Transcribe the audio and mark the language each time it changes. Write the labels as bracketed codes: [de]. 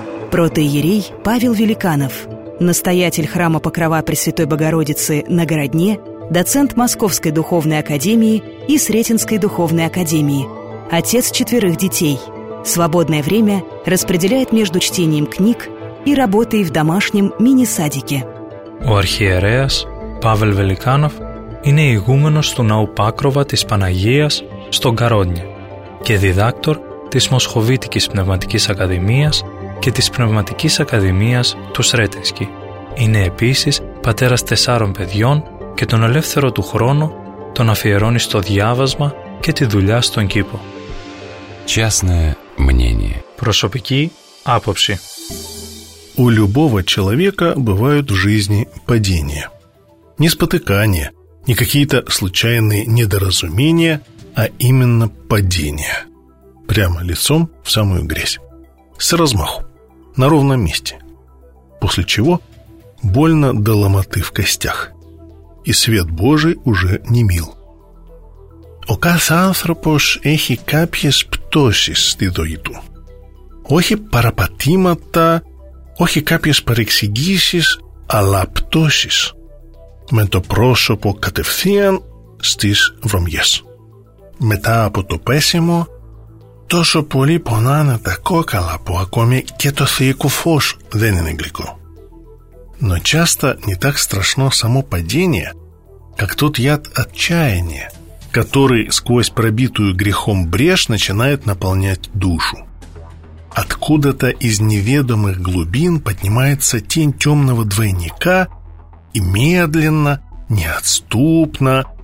[ru] Протоиерей Павел Великанов, настоятель храма Покрова Пресвятой Богородицы на Городне, доцент Московской духовной академии и Сретенской духовной академии, отец четверых детей. Свободное время распределяет между чтением книг и работой в домашнем мини-садике. [el] У архиереас Павел Великанов είναι игуменος του Ναού Πάκροβα της Παναγίας στο Γκαρόνια και διδάκτορ της Μοσχοβίτικης Πνευματικής Ακαδημίας και της Πνευματικής Ακαδημίας του Σρέτενσκι. Είναι επίσης πατέρας τεσσάρων παιδιών και τον ελεύθερο του χρόνο τον αφιερώνει στο διάβασμα και τη δουλειά στον κήπο. [ru] Частное мнение. [el] Προσωπική άποψη. [ru] У любого человека бывают в жизни падения. Не спотыкания, не какие-то случайные недоразумения, а именно падение. Прямо лицом в самую грязь. С размаху. На ровном месте. После чего больно до ломоты в костях. И свет Божий уже не мил. [el] Ο κάθε άνθρωπος έχει κάποιες πτώσεις στη ζωή του. Όχι παραπατήματα, όχι κάποιες παρεξηγήσεις, αλλά πτώσεις. Με το πρόσωπο κατευθείαν στις βρωμιές. Μετά από το πέσιμο, τόσο πολύ πονάνε τα κόκαλα που ακόμη και το θεϊκό φως δεν είναι γλυκό. [ru] Но часто не так страшно само падение, как тот яд отчаяния, который сквозь пробитую грехом брешь начинает наполнять душу. Откуда-то из неведомых глубин поднимается тень темного двойника и медленно, неотступно,